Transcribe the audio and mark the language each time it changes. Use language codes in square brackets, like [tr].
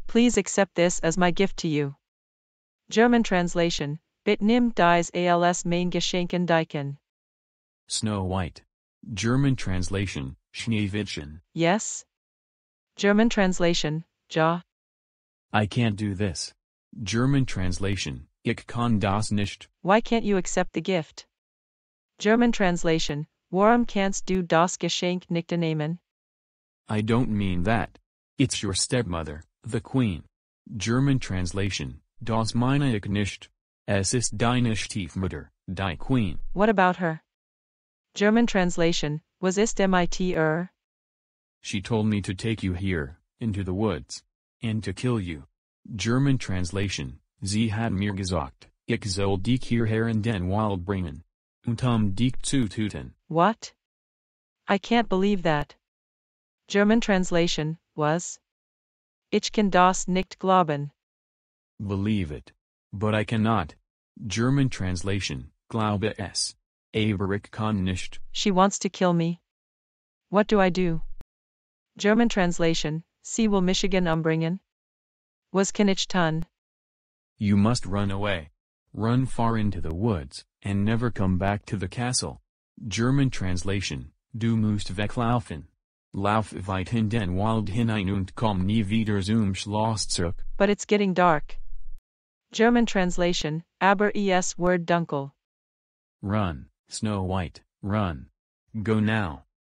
[en] Please accept this as my gift to you. German translation, [de] bitte nimm dies als mein Geschenk an dich. [en] Snow White. German translation, Schneewittchen. Yes? German translation, ja. I can't do this. German translation, [de] ich kann das nicht. [en] Why can't you accept the gift? German translation, [de] warum kannst du das Geschenk nicht nehmen? [en] I don't mean that. It's your stepmother, the queen. German translation, [de] das meine ich nicht. Es ist deine Stiefmutter, die Queen. [en] What about her? German translation, [de] was ist mit ihr? [en] She told me to take you here, into the woods, and to kill you. German translation, [de] sie hat mir gesagt, ich soll dich hierher in den Wald bringen, und um dich zu töten. [en] What? I can't believe that. German translation, was? [de] Ich kann das nicht glauben. [en] Believe it. But I cannot. German translation, [de] glaube es. Aber ich kann nicht. [en] She wants to kill me. What do I do? German translation, [de] sie will Michigan umbringen? Was kann ich tun? [en] You must run away. Run far into the woods, and never come back to the castle. German translation, [de] du musst weglaufen. Lauf weit in den Wald hinein und komm nie wieder zum Schloss zurück. [en] But it's getting dark. German translation, [de] aber es wird dunkel. [en] Run. Snow White, run. Go now.